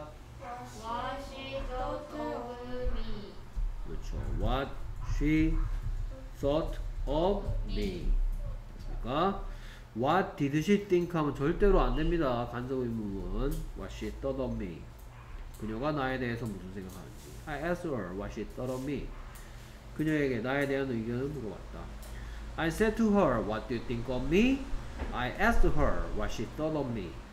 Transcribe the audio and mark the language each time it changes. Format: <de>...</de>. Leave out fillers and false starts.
<en>What she thought of me.</en> <ko>그렇죠.</ko> <en>What she thought of me.</en> <ko>그니까</ko> <en>What did she think</en> <ko>하면 절대로 안 됩니다. 간접 의문문</ko> <en>What she thought of me.</en> <ko>그녀가 나에 대해서 무슨 생각하는지.</ko> <en>I asked her what she thought of me.</en> <ko>그녀에게 나에 대한 의견을 물어봤다.</ko> <en>I said to her what do you think of me. I asked her what she thought of me.</en>